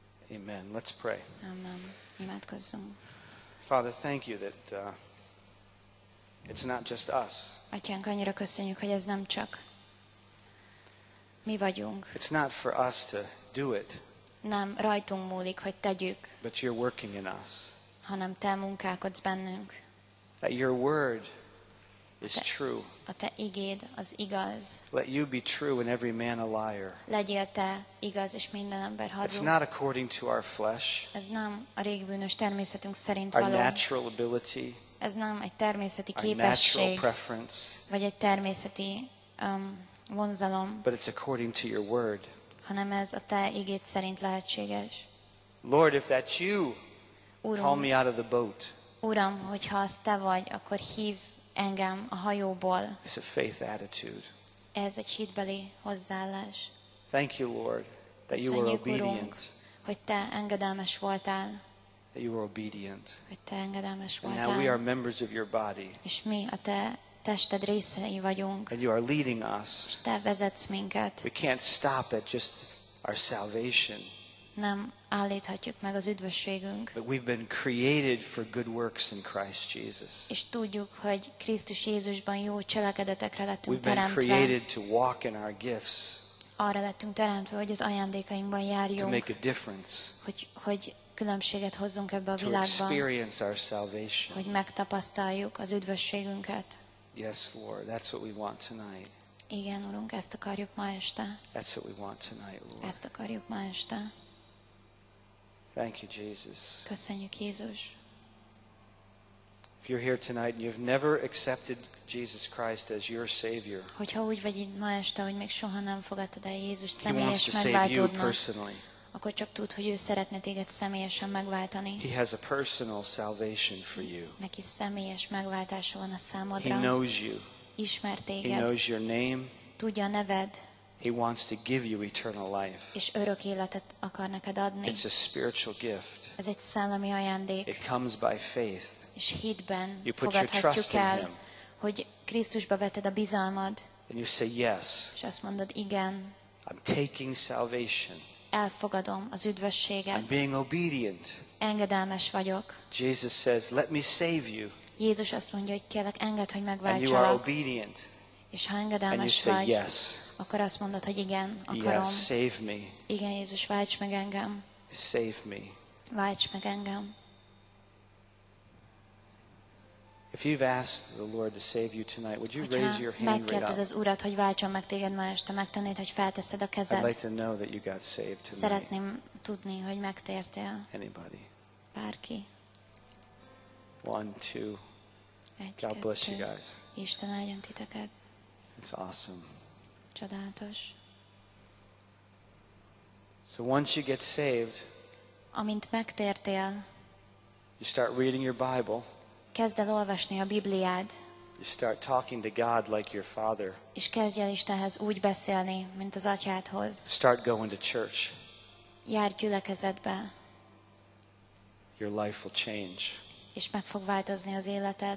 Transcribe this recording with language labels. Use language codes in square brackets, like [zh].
[en] Amen. Let's pray. [hu] Amen. Imádkozzunk. [en] Father, thank you that it's not just us. [hu] Atyánk, annyira köszönjük, hogy ez nem csak mi vagyunk. [en] It's not for us to do it. [hu] Nem rajtunk múlik, hogy tegyük. [en] But you're working in us. [hu] Hanem te munkálkodsz bennünk. [en] That your word is true. [hu] A te igéd az igaz. [en] Let you be true and every man a liar. [hu] Legyél te igaz és minden ember hazug. [en] It's not according to our flesh. [hu] Ez nem a régi bűnös természetünk szerint [en] való. Our natural ability. [hu] Ez nem egy természeti képesség. [en] Our natural preference. [hu] Vagy egy természeti vonzalom. [en] But it's according to your word. [hu] Hanem ez a te igéd szerint lehetséges. [en] Lord, if that's you, Uram, call me out of the boat. [hu] Uram, hogyha az te vagy, akkor hív engem a hajóból. [en] It's a faith attitude. [hu] Ez egy hitbeli hozzáállás. [en] Thank you, Lord, that you were obedient. [hu] Hogy te engedelmes voltál. [en] That you were obedient. [hu] Hogy te engedelmes voltál. [en] And now we are members of your body. [hu] És mi a te tested részei vagyunk. [en] And you are leading us. [hu] És te vezetsz minket. [en] We can't stop at just our salvation. [hu] Nem állíthatjuk meg az üdvösségünk. [en] But we've been created for good works in Christ Jesus. [hu] És tudjuk, hogy Krisztus Jézusban jó cselekedetekre lettünk teremtve. [en] We've been created to walk in our gifts. [hu] Arra lettünk teremtve, hogy az ajándékainkban járjunk. [en] To make a difference. [hu] Hogy különbséget hozzunk ebbe a világba. [en] To experience our salvation. [hu] Hogy megtapasztaljuk az üdvösségünket. [en] Yes, Lord, that's what we want tonight. [hu] Igen, Urunk, ezt akarjuk ma este. [en] That's what we want tonight, Lord. [hu] Ezt akarjuk ma este. [en] Thank you, Jesus. [hu] Köszönjük, Jézus. [en] If you're here tonight and you've never accepted Jesus Christ as your Savior, [hu] hogyha úgy vagy itt ma este, hogy még soha nem fogadtad el Jézus személyes megváltódnak, akkor csak tudd, hogy ő szeretne téged személyesen megváltani. [en] He has a personal salvation for you. [hu] Neki személyes megváltása van a számodra. [en] He knows you. [hu] Ismer téged. [en] He knows your name. [hu] Tudja a neved. [en] He wants to give you eternal life. [hu] És örök életet akar neked adni. [en] It's a spiritual gift. [hu] Ez egy szellemi ajándék. [en] It comes by faith. [hu] És hitben fogadhatjuk el, hogy Krisztusba vetted a bizalmad. [en] And you say yes. [hu] És azt mondod, igen. [en] I'm taking salvation. [hu] Elfogadom az üdvösséget. [en] I'm being obedient. [hu] Engedelmes vagyok. [en] Jesus says, let me save you. [hu] Jézus azt mondja, hogy kérlek, engedd, hogy megváltsalak. [en] And you are obedient. [hu] És ha engedelmes [en] and you say [hu] vagy, [en] yes. [hu] Akkor azt mondod, hogy igen, akarom. [en] Yes, save me. [hu] Igen, Jézus, válts meg engem. [en] Save me. [hu] Válts meg engem. [en] If you've asked the Lord to save you tonight, would you raise your hand right up? [hu] Megkérted az Urat, hogy váltson meg téged ma este, megtennéd, hogy felteszed a kezed? [en] I'd like to know that you got saved tonight. [hu] Szeretném tudni, hogy megtértél. [en] Anybody? [hu] Bárki. [en] One, two. [hu] Egy, [en] God bless you guys. [hu] Isten áldjon titeket. [en] It's awesome. [hu] Csodálatos. [en] So once you get saved, [hu] amint megtértél, [en] you start reading your Bible. [hu] Kezd el olvasni a Bibliád. [en] You start talking to God like your father. [hu] És kezdj el Istenhez úgy beszélni, mint az atyádhoz. [en] Start going to church. [hu] Járj gyülekezetbe. [en] Your life will change. [hu] És meg fog változni az életed.